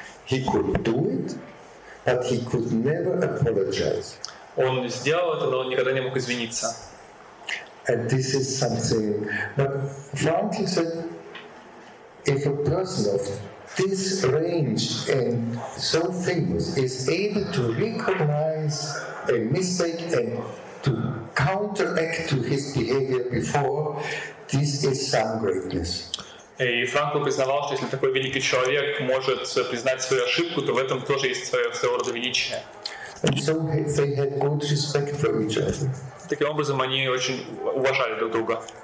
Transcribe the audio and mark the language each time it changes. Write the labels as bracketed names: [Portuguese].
[English] He could do it, but he could never apologize. [Russian] Он сделал это, но он никогда не мог извиниться. [English] And this is something, but Franklin said, if a person of this range and so famous is able to recognize a mistake and to counteract to his behavior before, this is some greatness. [Russian] И Франкл признавал, что если такой великий человек может признать свою ошибку, то в этом тоже есть своего рода величие. [English] And so they had good respect for each other. [Russian] Таким образом, они очень уважали друг друга.